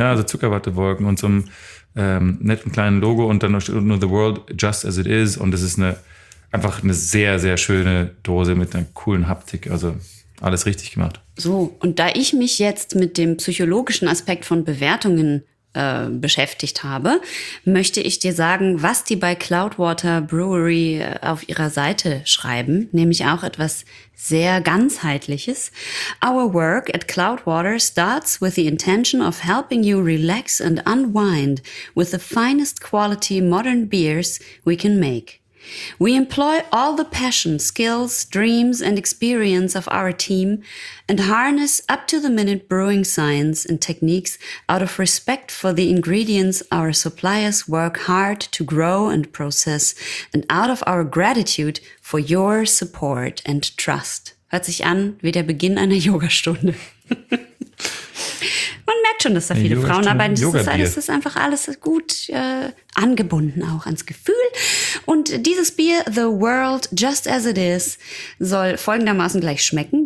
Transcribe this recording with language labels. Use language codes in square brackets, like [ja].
[de] Ja, so Zuckerwattewolken und so einem netten kleinen Logo und dann steht nur The World Just As It Is und es ist einfach eine sehr, sehr schöne Dose mit einer coolen Haptik, also alles richtig gemacht. So, und da ich mich jetzt mit dem psychologischen Aspekt von Bewertungen beschäftigt habe, möchte ich dir sagen, was die bei Cloudwater Brewery auf ihrer Seite schreiben, nämlich auch etwas sehr Ganzheitliches. [en] Our work at Cloudwater starts with the intention of helping you relax and unwind with the finest quality modern beers we can make. We employ all the passion, skills, dreams and experience of our team and harness up-to-the-minute brewing science and techniques out of respect for the ingredients our suppliers work hard to grow and process and out of our gratitude for your support and trust. [de] Hört sich an wie der Beginn einer Yogastunde. Man merkt schon, dass da viele Frauen arbeiten. Das ist einfach alles gut angebunden auch ans Gefühl. Und dieses Bier, The World Just As It Is, soll folgendermaßen gleich schmecken.